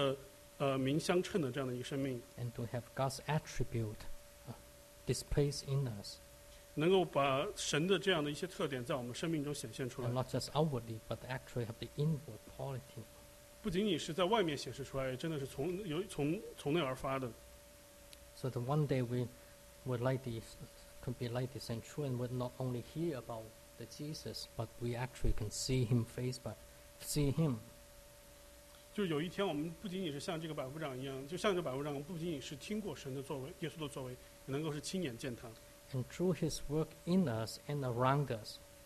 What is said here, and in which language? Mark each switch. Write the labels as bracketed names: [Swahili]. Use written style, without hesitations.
[Chinese] 所以让我们真的是活出一个与他的名相称的这样的一个生命。 [English] And to have God's attribute displayed in us. [Chinese] 能够把神的这样的一些特点在我们生命中显现出来。 [English] And not just outwardly, but actually have the inward quality. [Chinese] 不仅仅是在外面显示出来，真的是从内而发的。 [English] So that one day we would like this, could be like the centurion, and would not only hear about the Jesus, but we actually can see him face by see him. [Chinese] 就有一天我们不仅仅是像这个百夫长一样，就像这百夫长，我们不仅仅是听过神的作为，耶稣的作为，也能够是亲眼见他。 [English] And through his work in us and around us.